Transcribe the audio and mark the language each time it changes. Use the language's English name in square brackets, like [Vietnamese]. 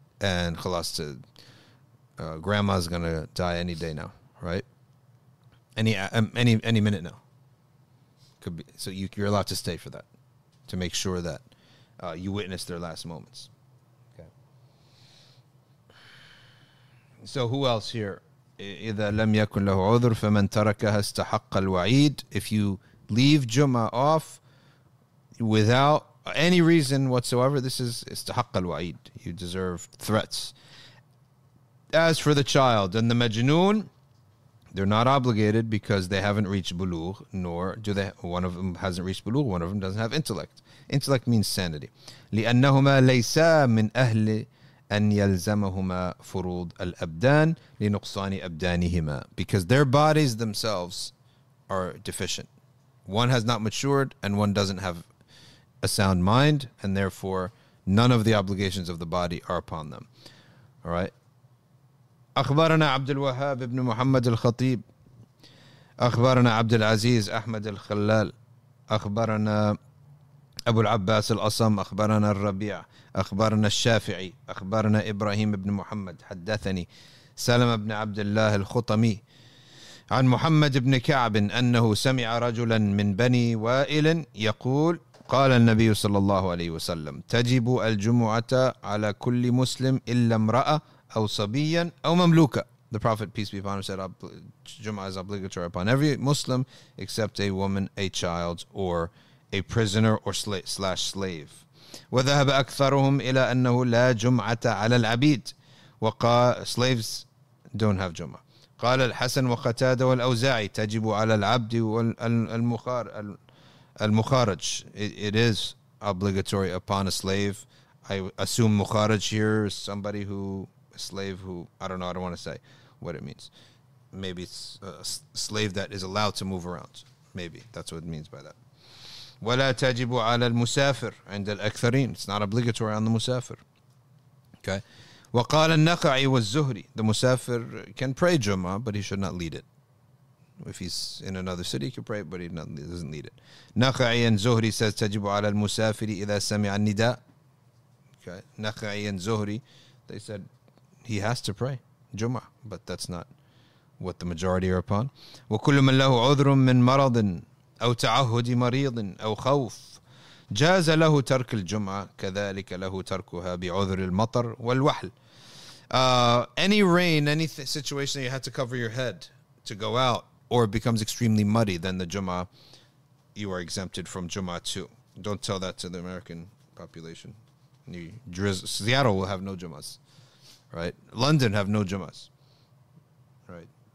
[English] And khalas, to grandma's gonna die any day now, right? Any minute now. Could be, so you're allowed to stay for that, to make sure that you witness their last moments. Okay. So who else here? [Arabic] إذا لم يكن له عذر فمن تركها استحق الوعيد. [English] If you leave Jummah off without any reason whatsoever, this is [Arabic] استحق الوعيد. [English] You deserve threats. As for the child and the majnoon, they're not obligated because they haven't reached bulugh, nor do they. One of them hasn't reached bulugh. One of them doesn't have intellect. Intellect means sanity. [Arabic] لأنهما ليسا من أهل أن يلزمهما فروض الأبدان لنقصان أبدانهما. [English] Because their bodies themselves are deficient. One has not matured and one doesn't have a sound mind, and therefore none of the obligations of the body are upon them. All right. [Arabic] أخبرنا عبد الوهاب بن محمد الخطيب أخبرنا عبد العزيز أحمد الخلال أخبرنا أبو العباس الأصم أخبرنا الربيع أخبرنا الشافعي أخبرنا إبراهيم بن محمد حدثني سلم بن عبد الله الخطمي عن محمد بن كعب أنه سمع رجلا من بني وائل يقول قال النبي صلى الله عليه وسلم تجب الجمعة على كل مسلم إلا امرأة أو صبيا أو مملوكا. [English] The Prophet, peace be upon him, said Jummah is obligatory upon every Muslim except a woman, a child, or a prisoner or slave. [Arabic] وذهب أكثرهم إلى أنه لا جمعة على العبيد. [English] Slaves don't have Jummah. [Arabic] قال الحسن وقتادة والأوزاعي تجب على العبد والمخارج. [English] It is obligatory upon a slave. I assume مخارج here is somebody who, a slave who, I don't know, I don't want to say what it means. Maybe it's a slave that is allowed to move around. Maybe that's what it means by that. [Arabic] ولا تجب على المسافر عند الأكثرين. [English] It's not obligatory on the musafir. Okay. [Arabic] وقال النخعي والزهري. [English] The musafir can pray Jummah, but he should not lead it. If he's in another city, he can pray, but he doesn't lead it. [Arabic] نخعي and زهري [English] says [Arabic] تجب على المسافر إذا سمع النداء. [English] Okay. نخعي and زهري, they said he has to pray Jummah, but that's not what the majority are upon. [Arabic] وكل من له عذر من مرض أو تعهد مريض أو خوف جاز له ترك الجمعة كذلك له تركها بعذر المطر والوحل. [English] Any rain, any situation you had to cover your head to go out, or it becomes extremely muddy, then the Jummah you are exempted from Jummah too. Don't tell that to the American population. Seattle will have no Jummahs, right? London have no Jummahs, right?